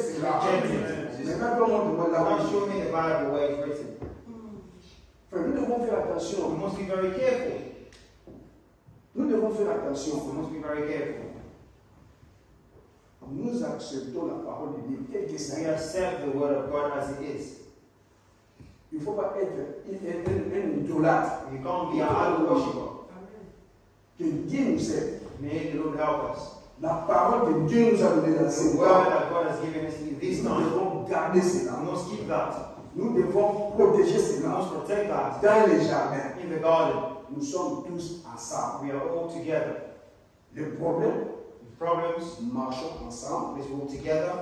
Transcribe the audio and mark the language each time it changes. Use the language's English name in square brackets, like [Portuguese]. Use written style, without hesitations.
[French] cela. Maintenant, tout le monde doit l'avoir. [English] Show me the Bible where it's written. [French] Frère, nous devons faire attention. [English] We must be very careful. [French] Nous devons faire attention. [English] We must be very careful. [French] Nous acceptons la parole de Dieu telle que ça. [English] We accept the word of God as it is. [French] Il ne faut pas être un idolâtre. [English] You can't be a idol worshiper. [French] Que Dieu nous aide. [English] May the Lord help us. [French] La parole de Dieu nous a donné dans ce [English] word that God has given us in this [French] nous [English] time. [French] Devons garder cela. [English] We must keep that. [French] Nous devons protéger cela. [English] We must protect that. [French] Dans les jardins. [English] In the garden. [French] Nous sommes tous ensemble. [English] We are all together. [French] Le problème. [English] The problems. [French] Marchons ensemble. [English] Let's work together.